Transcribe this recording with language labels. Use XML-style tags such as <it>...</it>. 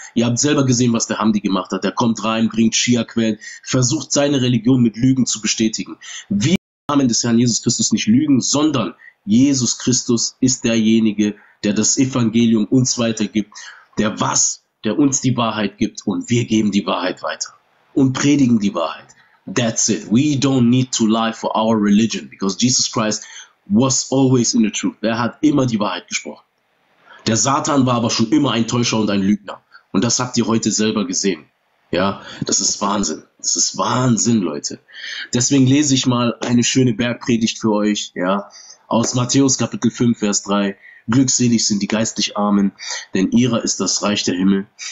<de>Ihr habt selber gesehen, was der Hamdi gemacht hat. Er kommt rein, bringt Schia-Quellen, versucht seine Religion mit Lügen zu bestätigen. Wir im Namen des Herrn Jesus Christus nicht lügen, sondern Jesus Christus ist derjenige, der das Evangelium uns weitergibt, der uns die Wahrheit gibt, und wir geben die Wahrheit weiter und predigen die Wahrheit.</de> <en>That's it. We don't need to lie for our religion, because Jesus Christ was always in the truth.</en> <de>Er hat immer die Wahrheit gesprochen. Der Satan war aber schon immer ein Täuscher und ein Lügner. Und das habt ihr heute selber gesehen. Ja, das ist Wahnsinn. Das ist Wahnsinn, Leute. Deswegen lese ich mal eine schöne Bergpredigt für euch, ja, aus Matthäus Kapitel 5, Vers 3. Glückselig sind die geistlich Armen, denn ihrer ist das Reich der Himmel.</de>